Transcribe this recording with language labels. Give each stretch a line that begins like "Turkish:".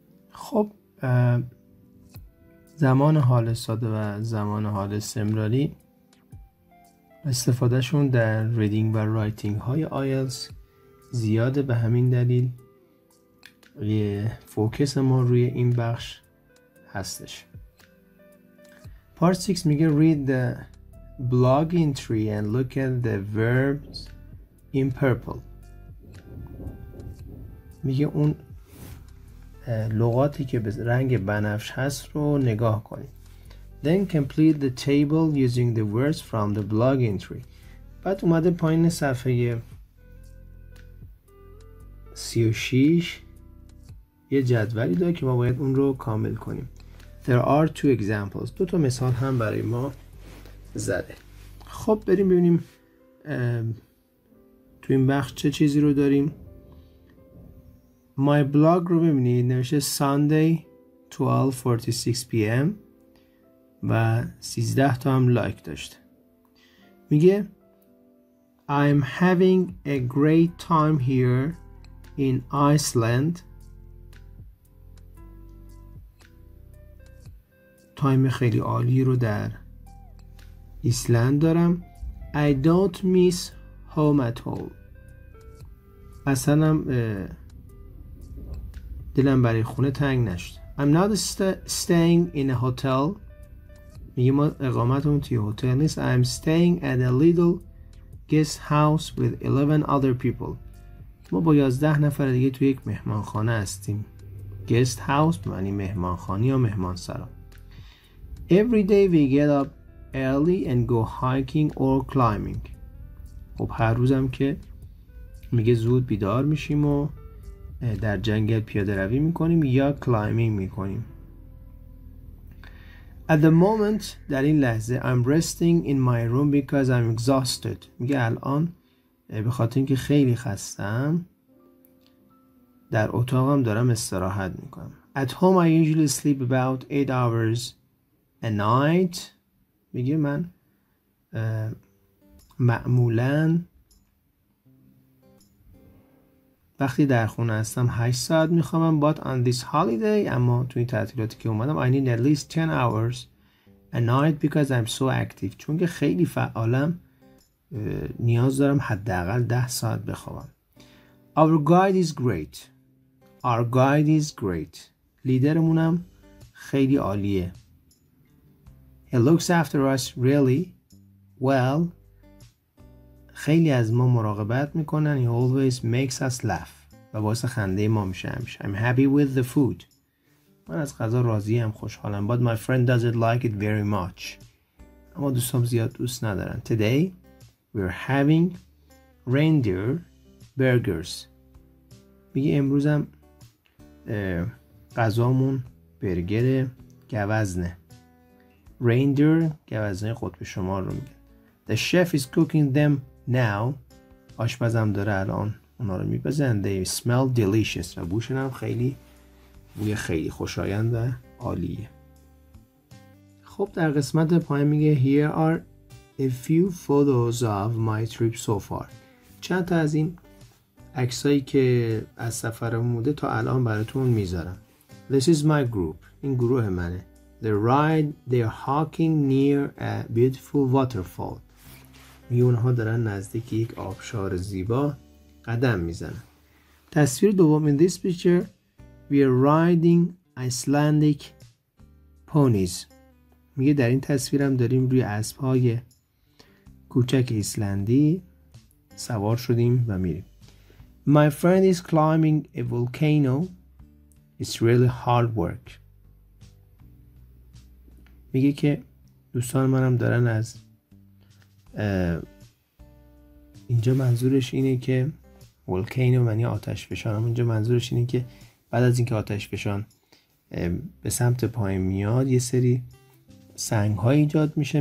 Persian: خب زمان حال ساده و زمان حال استمراری استفاده شون در ریدینگ و رایتینگ های آیلتس زیاده، به همین دلیل یه فوکس ما روی این بخش هستش.
English: Part 6
Persian: میگه
English: read the blog entry and look at the verbs in purple.
Persian: میگه اون لغاتی که به رنگ بنفش هست رو نگاه کنید.
English: Then complete the table using the words from the blog entry.
Persian: بعد اومده پایین صفحه 36 یه جدولی داره که ما باید اون رو کامل کنیم.
English: There are two examples.
Persian: دو تا مثال هم برای ما زده. خب بریم ببینیم تو این بخش چه چیزی رو داریم.
English: My blog
Persian: رو ببینید، نوشته Sunday 12:46 PM و 13 تا هم لایک داشت. میگه
English: I'm having a great time here in Iceland.
Persian: تایم خیلی عالی رو در ایسلند دارم.
English: I don't miss home at all.
Persian: اصلا دلم برای خونه تنگ نشد.
English: I'm not staying in a hotel.
Persian: میگه ما اقامتمون توی هتل نیست.
English: I'm staying at a little guest house with 11 other people.
Persian: ما با 11 نفر دیگه توی یک مهمانخانه هستیم. Guest house معنی مهمانخانه یا مهمانسرا.
English: Every day we get up early and go hiking or climbing.
Persian: خب هر روزم که میگه زود بیدار میشیم و در جنگل پیاده روی میکنیم یا کلایمینگ میکنیم.
English: At the moment,
Persian: در این لحظه
English: I'm resting in my room because I'm exhausted.
Persian: میگه الان به خاطر اینکه خیلی خستم در اتاقم دارم استراحت میکنم.
English: At home I usually sleep about 8 hours a night.
Persian: میگه من معمولاً وقتی در خونه هستم 8 ساعت میخوامم.
English: But on this holiday,
Persian: اما توی تعطیلاتی که اومدم,
English: I need at least 10 hours a night because I'm so active.
Persian: چون که خیلی فعالم نیاز دارم حداقل 10 ساعت بخوابم.
English: Our guide is great. Our guide is great.
Persian: لیدرمونم خیلی عالیه.
English: He looks after us really well.
Persian: خیلی از ما مراقبت میکنن.
English: He always makes us laugh.
Persian: و باعث خنده ما میشه همیشه.
English: I'm happy with the food.
Persian: من از غذا راضیم، خوشحالم.
English: But my friend doesn't like it very much.
Persian: اما دوستام زیاد دوست ندارن.
English: Today we're having reindeer burgers.
Persian: میگه امروزم غذامون برگر گوزنه.
English: Reindeer
Persian: گوزنه قطب شمال رو میگه.
English: The chef is cooking them now.
Persian: آشپزم داره الان اونا رو میپزن.
English: They smell delicious.
Persian: و بوشن هم خیلی بوی خیلی خوشایند و عالیه. خب در قسمت پایین میگه
English: Here are a few photos of my trip so far.
Persian: چند تا از این عکسایی که از سفرم بوده تا الان براتون میذارم.
English: This is my group.
Persian: این گروه منه.
English: They're hiking near a beautiful waterfall.
Persian: میونها دارن نزدیک یک آبشار زیبا قدم میزنن. تصویر دوم.
English: In this picture we are riding Icelandic ponies.
Persian: میگه در این تصویرم داریم روی اسبهای کوچک ایسلندی سوار شدیم و میریم.
English: My friend is climbing a volcano. It's really hard work.
Persian: میگه که دوستان منم دارن از اینجا منظورش اینه که ولکینو معنی آتش فشان، اونجا منظورش اینه که بعد از اینکه آتش فشان به سمت پایین میاد یه سری سنگ ها ایجاد میشه.